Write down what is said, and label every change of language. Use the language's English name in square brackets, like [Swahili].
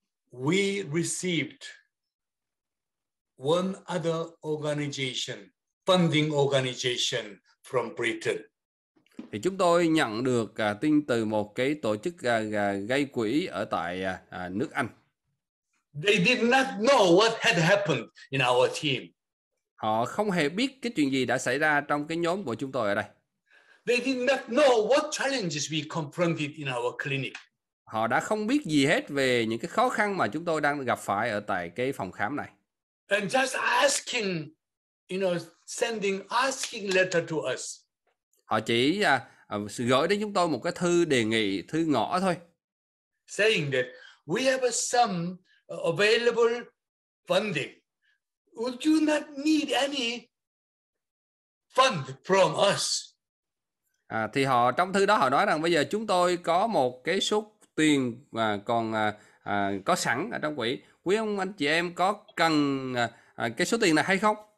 [English] We received one other organization, funding organization from Britain. [Vietnamese] Thì chúng tôi nhận được tin từ một cái tổ chức gây quỹ ở tại nước Anh. [English] They did not know what had happened in our team. [Vietnamese] Họ không hề biết cái chuyện gì đã xảy ra trong cái nhóm của chúng tôi ở đây. [English] They did not know what challenges we confronted in our clinic. [Vietnamese] Họ đã không biết gì hết về những cái khó khăn mà chúng tôi đang gặp phải ở tại cái phòng khám này. [English] And just asking, you know, sending asking letter to us. [Vietnamese] Họ chỉ gửi đến chúng tôi một cái thư đề nghị, thư ngỏ thôi. [English] Saying that we have some available funding. Would you not need any fund from us? [Vietnamese] Thì họ trong thư đó họ nói rằng bây giờ chúng tôi có một cái số tiền mà còn có sẵn ở trong quỹ, quý ông anh chị em có cần cái số tiền này hay không?